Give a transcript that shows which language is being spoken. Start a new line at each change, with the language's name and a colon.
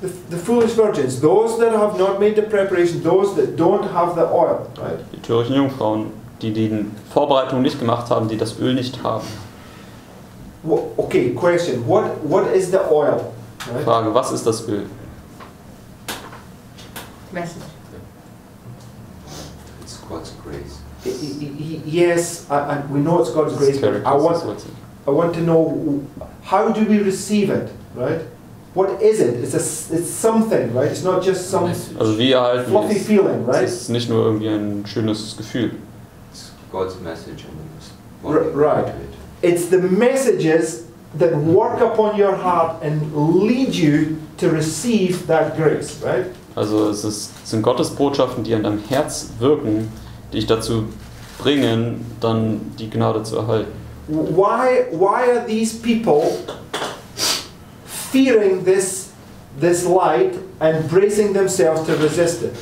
English: The foolish virgins, those that have not made the preparation, those that don't have the oil, right?
German: Die törichten Jungfrauen, die die Vorbereitung nicht gemacht haben, die das Öl nicht haben.
English: Okay, question. What is the oil? Right?
German: Frage, was ist das Öl?
English: Message. It's God's grace. Yes, we know it's God's grace, but I want to know, how do we receive it, right? What is it? It's something, right? It's not just some
German: also
English: fluffy feeling, right? It's
German: nicht nur irgendwie ein schönes Gefühl.
English: It's God's message in this. Right. It's the messages that work upon your heart and lead you to receive that grace, right?
German: Also es sind Gottes Botschaften, die an deinem Herz wirken, die dich dazu bringen, dann die Gnade zu erhalten.
English: Why are these people fearing this light and bracing themselves to resist it.